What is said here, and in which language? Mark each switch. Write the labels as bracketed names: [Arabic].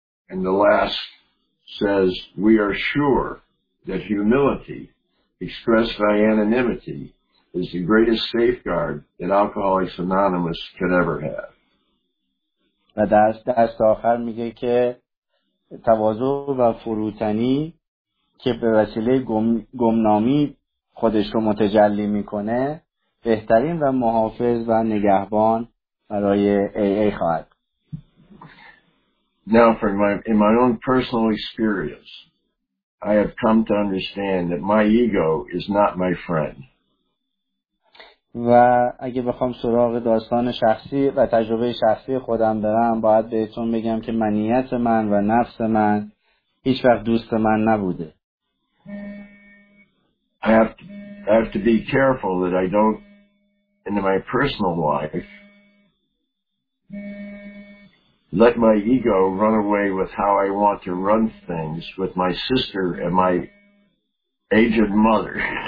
[English] And the last says we are sure that humility expressed by anonymity is the greatest safeguard that Alcoholics Anonymous could ever have. [Persian] و دست آخر میگه که تواضع و فروتنی که به وسیله گمنامی خودش رو متجلی میکنه بهترین و محافظ و نگهبان برای AA خواهد. [English] Now from in my own personal experience, I have come to understand that my ego is not my friend. [Persian] و اگه بخوام سراغ داستان شخصی و تجربه شخصی خودم برم، باید بهتون بگم که منیت من و نفس من هیچ وقت دوست من نبوده. [English] I have to be careful that I don't in my personal life let my ego run away with how I want to run things with my sister and my aged mother.